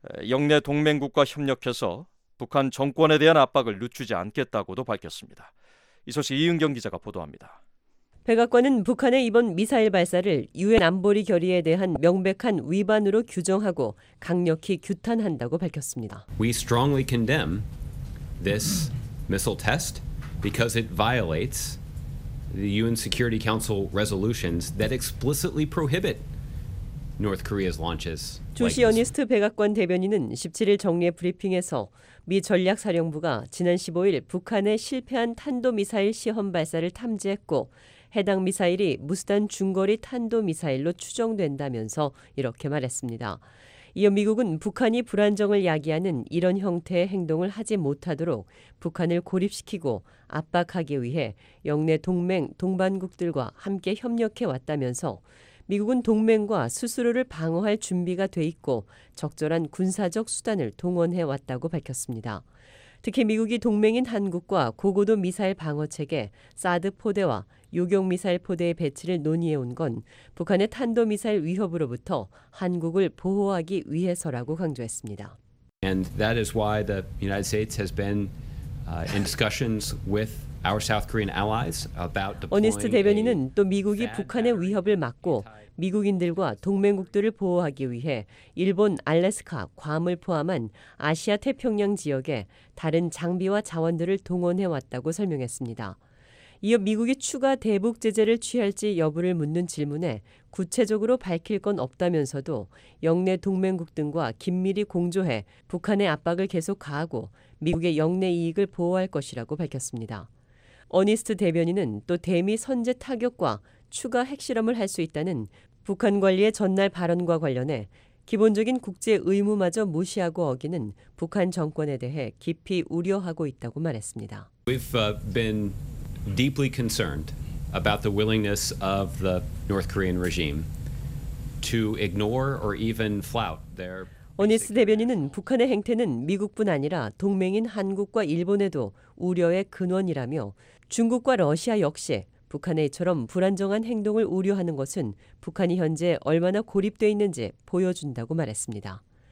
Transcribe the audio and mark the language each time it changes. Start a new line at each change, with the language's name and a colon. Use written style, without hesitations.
Korean: 영내 동맹국과 협력해서 북한 정권에 대한 압박을 늦추지 않겠다고도 밝혔습니다. 이 소식 이은경 기자가 보도합니다. 백악관은 북한의 이번 미사일 발사를 유엔 안보리 결의에 대한 명백한 위반으로 규정하고 강력히 규탄한다고 밝혔습니다.
English: We strongly condemn this missile test because it violates the UN Security Council resolutions that explicitly prohibit North Korea's launches.
Korean: 조시 어니스트 백악관 대변인은 17일 정례 브리핑에서 미 전략사령부가 지난 15일 북한의 실패한 탄도미사일 시험 발사를 탐지했고 해당 미사일이 무수단 중거리 탄도미사일로 추정된다면서 이렇게 말했습니다. 이어 미국은 북한이 불안정을 야기하는 이런 형태의 행동을 하지 못하도록 북한을 고립시키고 압박하기 위해 영내 동맹, 동반국들과 함께 협력해 왔다면서 미국은 동맹과 스스로를 방어할 준비가 돼 있고 적절한 군사적 수단을 동원해 왔다고 밝혔습니다. 특히 미국이 동맹인 한국과 고고도 미사일 방어체계, 사드 포대와 요격미사일 포대의 배치를 논의해온 건 북한의 탄도미사일 위협으로부터 한국을 보호하기 위해서라고 강조했습니다.
English: And that is why the United States has been in discussions with our South Korean allies about deploying.
Korean: 어니스트 대변인은 또 미국이 북한의 위협을 막고 미국인들과 동맹국들을 보호하기 위해 일본 알래스카, 괌을 포함한 아시아 태평양 지역에 다른 장비와 자원들을 동원해왔다고 설명했습니다. 이어 미국이 추가 대북 제재를 취할지 여부를 묻는 질문에 구체적으로 밝힐 건 없다면서도 영내 동맹국 등과 긴밀히 공조해 북한의 압박을 계속 가하고 미국의 영내 이익을 보호할 것이라고 밝혔습니다. 어니스트 대변인은 또 대미 선제 타격과 추가 핵실험을 할 수 있다는 북한 관리의 전날 발언과 관련해 기본적인 국제 의무마저 무시하고 어기는 북한 정권에 대해 깊이 우려하고 있다고 말했습니다.
English: We've been deeply concerned about the willingness of the North Korean regime to ignore or even flout their.
Korean: 어니스 대변인은 북한의 행태는 미국뿐 아니라 동맹인 한국과 일본에도 우려의 근원이라며 중국과 러시아 역시 북한의 이처럼 불안정한 행동을 우려하는 것은 북한이 현재 얼마나 고립돼 있는지 보여준다고 말했습니다.